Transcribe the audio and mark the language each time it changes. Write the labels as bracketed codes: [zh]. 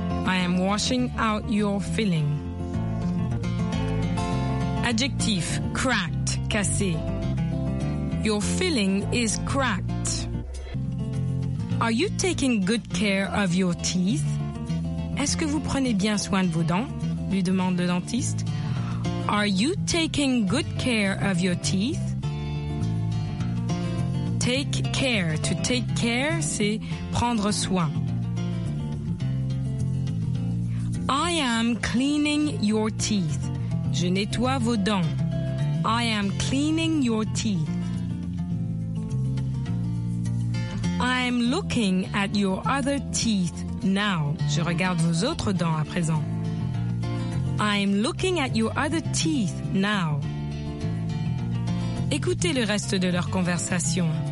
[en] I am washing out your filling. [fr] Adjectif, cracked, cassé. [en] Your filling is cracked. Are you taking good care of your teeth? [fr] Est-ce que vous prenez bien soin de vos dents? Lui demande le dentiste. [en] Are you taking good care of your teeth? Take care. To take care, [fr] c'est prendre soin. [en] I am cleaning your teeth. [fr] Je nettoie vos dents. [en] I am cleaning your teeth. I am looking at your other teeth now. [fr] Je regarde vos autres dents à présent. [en] I am looking at your other teeth now. [fr] Écoutez le reste de leur conversation.